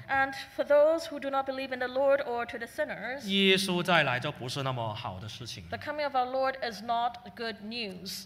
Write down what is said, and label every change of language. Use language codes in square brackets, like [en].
[en] and for those who do not believe in the Lord or to the sinners, [zh] 耶稣再来就不是那么好的事情。 [en] The coming of our Lord is not good news.